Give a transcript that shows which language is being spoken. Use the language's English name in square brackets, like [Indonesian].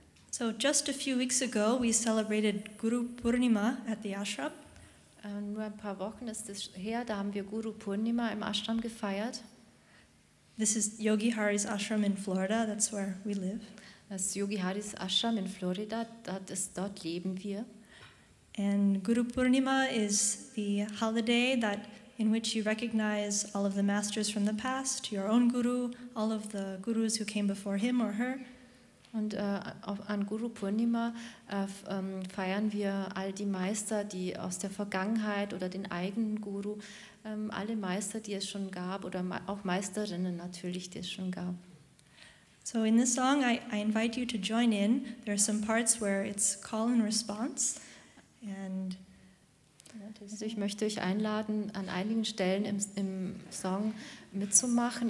[English] So just a few weeks ago, we celebrated Guru Purnima at the ashram. [German] Nur ein paar Wochen ist es her, da haben wir Guru Purnima im Ashram gefeiert. [English] This is Yogi Hari's ashram in Florida, that's where we live. [German] Das ist Yogi Hari's Ashram in Florida, das ist, dort leben wir. [English] And Guru Purnima is the holiday that in which you recognize all of the masters from the past, your own guru, all of the gurus who came before him or her. [German] Und an Guru Purnima feiern wir all die Meister, die aus der Vergangenheit oder den eigenen Guru, alle Meister, die es schon gab, oder auch Meisterinnen natürlich, die es schon gab. [English] So in this song, I invite you to join in. There are some parts where it's call and response. And [German] also ich möchte euch einladen, an einigen Stellen im Song mitzumachen.